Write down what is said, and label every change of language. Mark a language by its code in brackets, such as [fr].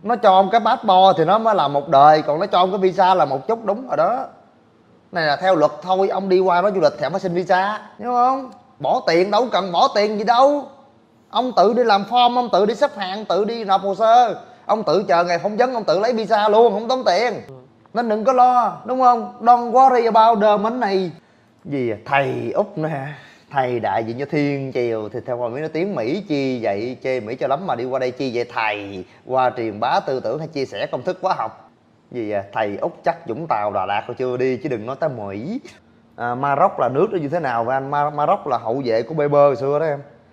[vi] Nó cho ông cái bát bò thì nó mới là một đời, còn nó cho ông cái visa là một chút đúng rồi đó. Này là theo luật thôi, ông đi qua nó du lịch thì ông phải xin visa, hiểu không? Bỏ tiền đâu cần bỏ tiền gì đâu. Ông tự đi làm form, ông tự đi xếp hàng, tự đi nộp hồ sơ. Ông tự chờ ngày phỏng vấn, ông tự lấy visa luôn, không tốn tiền. Nên đừng có lo, đúng không? [en] Don't worry about the money này. [vi] Gì à? Thầy Úc nữa hả? Thầy đại diện cho thiên triều thì theo hồi mới nói tiếng Mỹ chi vậy, chê Mỹ cho lắm mà đi qua đây chi vậy thầy? Qua truyền bá tư tưởng hay chia sẻ công thức hóa học gì vậy? Thầy Úc chắc Vũng Tàu Đà Lạt chưa đi chứ đừng nói tới Mỹ. À, Maroc là nước nó như thế nào vậy anh? Maroc là hậu vệ của Bơ hồi xưa đó em.